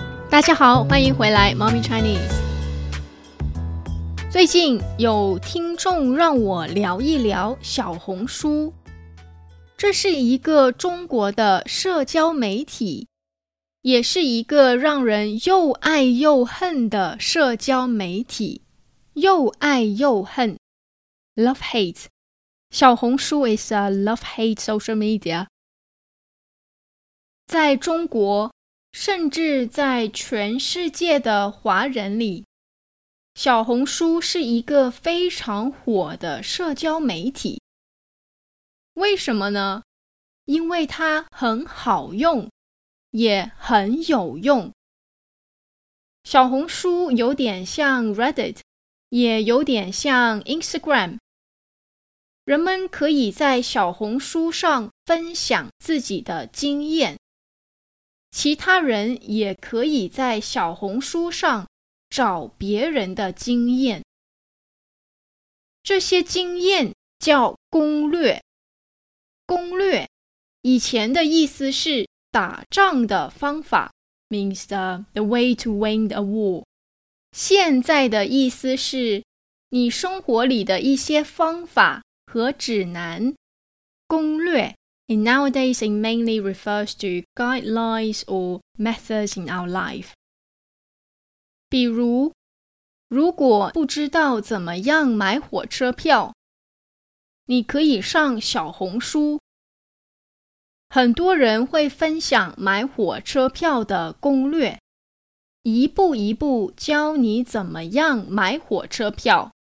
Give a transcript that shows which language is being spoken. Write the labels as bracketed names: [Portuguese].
[Chinese] 大家好，欢迎回来 Mommy Chinese。最近有听众让我聊一聊小红书，这是一个中国的社交媒体，也是一个让人又爱又恨的社交媒体。又爱又恨， [English] Love Hate， 小红书 is a Love Hate Social Media。 [Chinese] 在中国，甚至在全世界的华人里，小红书是一个非常火的社交媒体。为什么呢？因为它很好用，也很有用。小红书有点像 Reddit， 也有点像 Instagram。人们可以在小红书上分享自己的经验，其他人也可以在小红书上找别人的经验。这些经验叫攻略。攻略以前的意思是打仗的方法， [English] means the way to win a war。 [Chinese] 现在的意思是你生活里的一些方法和指南，攻略。 [English] And nowadays, it mainly refers to guidelines or methods in our life. [Chinese] 比如，如果不知道怎么样买火车票，你可以上小红书。很多人会分享买火车票的攻略，一步一步教你怎么样买火车票。